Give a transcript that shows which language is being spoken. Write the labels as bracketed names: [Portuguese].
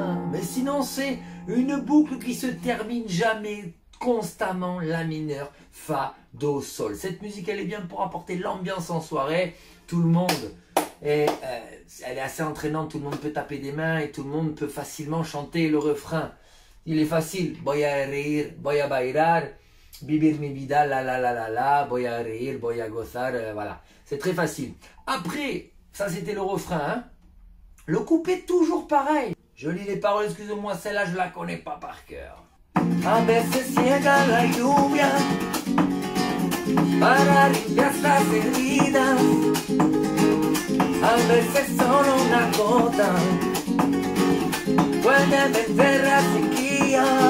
[French] Mais sinon, c'est une boucle qui se termine jamais, constamment, la mineur, fa, do, sol. Cette musique, elle est bien pour apporter l'ambiance en soirée. Tout le monde... Et elle est assez entraînante, tout le monde peut taper des mains et tout le monde peut facilement chanter le refrain. Il est facile. [Spanish] Voy a reír, voy a bailar, vivir mi vida, la la la la la, voy a reír, voy a gozar, voilà. [French] C'est très facile. Après, ça c'était le refrain. Hein? Le couplet toujours pareil. Je lis les paroles, excusez-moi, celle-là je la connais pas par cœur. [Spanish] A veces llega la lluvia para limpiar las heridas. A veces solo una gota puede vencer la sequía.